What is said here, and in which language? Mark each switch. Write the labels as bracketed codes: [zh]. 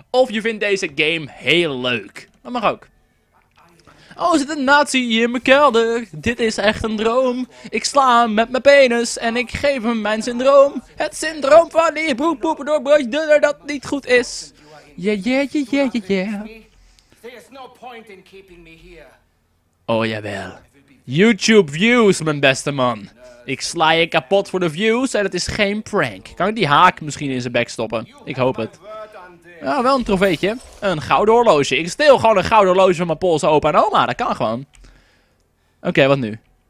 [nl] Of je vindt deze game heel leuk. Dat mag ook. Oh, zit een nazi in mijn kelder. Dit is echt een droom. Ik sla hem met mijn penis en ik geef hem mijn syndroom. Het syndroom van die broek poepen door broodje dunner dat niet goed is. Yeah, yeah, yeah, yeah, yeah, yeah. [en] There is no point in keeping me here. [nl] Oh, jawel. YouTube views, mijn beste man. Ik sla je kapot voor de views en het is geen prank. Kan ik die haak misschien in zijn bek stoppen? Ik hoop het. Ja, wel een trofeetje. Een gouden horloge. Ik steel gewoon een gouden horloge van mijn Poolse opa en oma. Dat kan gewoon. Oké, wat nu?